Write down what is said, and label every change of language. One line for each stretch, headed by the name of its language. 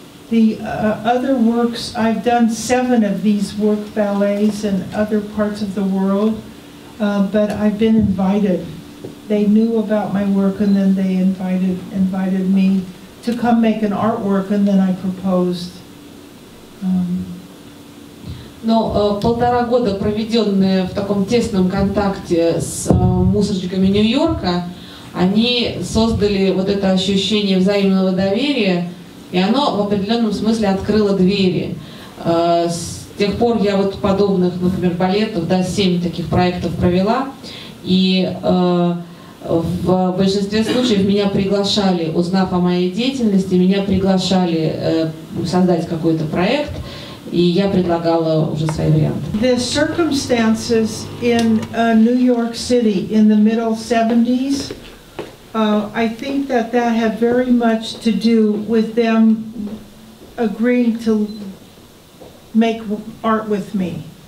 English: The other works, I've done 7 of these work ballets in other parts of the world, but I've been invited. They knew about my work and then they invited me to come make an artwork, and then I proposed.
Russian: Но полтора года, проведенные в таком тесном контакте с мусорщиками Нью-Йорка, они создали вот это ощущение взаимного доверия, и оно в определенном смысле открыло двери. С тех пор я вот подобных, например, балетов, да, 7 таких проектов провела, и в большинстве случаев меня приглашали, узнав о моей деятельности, меня приглашали создать какой-то проект, и я предлагала уже свои варианты.
English: The circumstances in New York City in the middle 70s, I think that had very much to do with them agreeing to make art with me.